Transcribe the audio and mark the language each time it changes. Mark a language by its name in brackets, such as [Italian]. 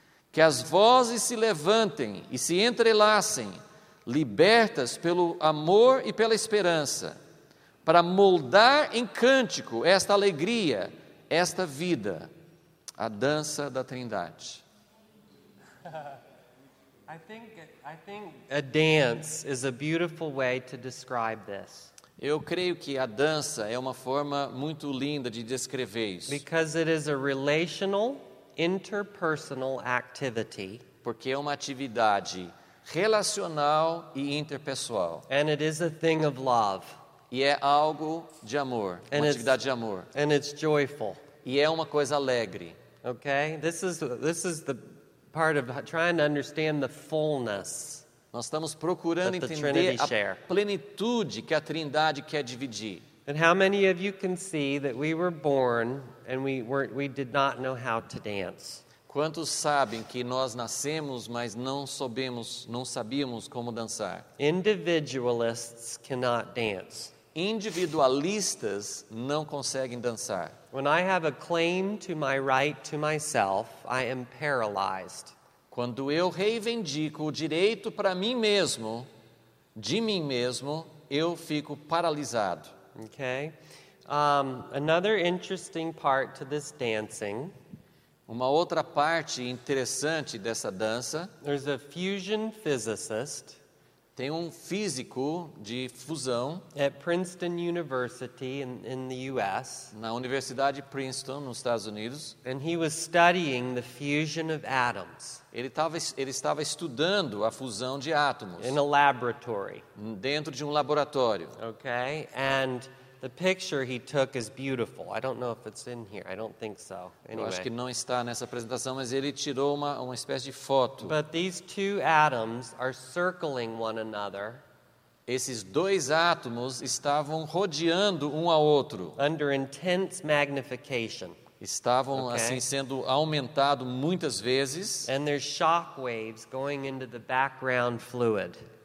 [Portuguese] Que as vozes se levantem e se entrelacem, libertas pelo amor e pela esperança, para moldar em cântico esta alegria, esta vida, a dança da Trindade. [English] I think a dance is a beautiful way to describe this. [Portuguese] Eu creio que a dança é uma forma muito linda de descrever isso. [English] Because it is a relational, interpersonal activity. [Portuguese] Porque é uma atividade relacional e interpessoal. [English] And it is a thing of love. [Portuguese] E é algo de amor, [English] and [Portuguese] uma atividade de amor. [English] And it's joyful. [Portuguese] E é uma coisa alegre. [English] Okay? This is the part of trying to understand the fullness. [Portuguese] Nós estamos procurando entender a plenitude que a Trindade quer dividir. [English] And how many of you can see that we were born and we did not know how to dance? [Portuguese] Quantos sabem que nós nascemos, mas não sabíamos como dançar? [English] Individualists cannot dance. [Portuguese] Individualistas não conseguem dançar. [English] When I have a claim to my right to myself, I am paralyzed. [Portuguese] Quando eu reivindico o direito para mim mesmo, de mim mesmo, eu fico paralisado. [English] Okay. Another interesting part to this dancing. [Portuguese] Uma outra parte interessante dessa dança. [English] There's a fusion physicist. [Portuguese] Tem um físico de fusão. [English] At Princeton University in the U.S. [Portuguese] Na Universidade Princeton, nos Estados Unidos. [English] And he was studying the fusion of atoms. [Portuguese] Ele estava estudando a fusão de átomos. [English] In a laboratory. [Portuguese] Dentro de um laboratório. [English] Okay, and the picture he took is beautiful. I don't know if it's in here. I don't think so. Anyway. [Portuguese] Eu acho que não está nessa apresentação, mas ele tirou uma espécie de foto. [English] But these two atoms are circling one another. [Portuguese] Esses dois átomos estavam rodeando um ao outro. [English] Under intense magnification. [Portuguese] Estavam okay? Assim sendo aumentado muitas vezes. [English] And there's shock waves going into the background fluid.